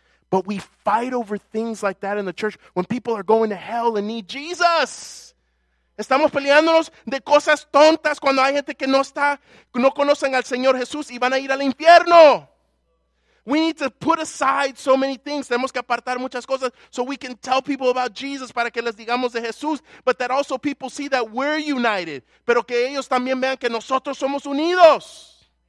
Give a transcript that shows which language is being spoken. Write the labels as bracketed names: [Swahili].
[English] But we fight over things like that in the church when people are going to hell and need Jesus. [Spanish] Estamos peleándonos de cosas tontas cuando hay gente que no conocen al Señor Jesús y van a ir al infierno. [English] We need to put aside so many things. [Spanish] Tenemos que apartar muchas cosas [English] so we can tell people about Jesus [Spanish] para que les digamos de Jesús. [English] But that also people see that we're united. [Spanish] Pero que ellos también vean que nosotros somos unidos.